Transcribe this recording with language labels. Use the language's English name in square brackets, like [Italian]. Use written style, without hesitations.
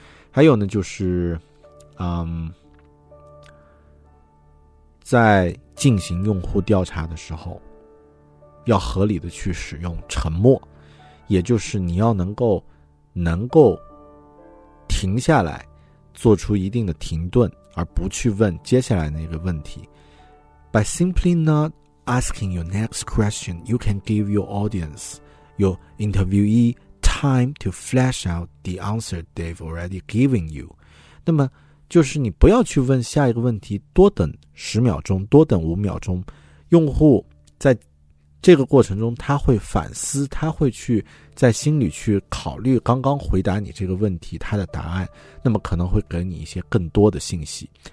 [Chinese] 还有呢，就是在进行用户调查的时候要合理的去使用沉默，也就是你要能够停下来做出一定的停顿，而不去问接下来那个问题。 [English] By simply not asking your next question, you can give your audience, your interviewee time to flesh out the answer they've already given you. [Chinese] 那么就是你不要去问下一个问题，多等十秒钟，多等五秒钟，用户在这个过程中他会反思，他会去在心里去考虑刚刚回答你这个问题他的答案，那么可能会给你一些更多的信息。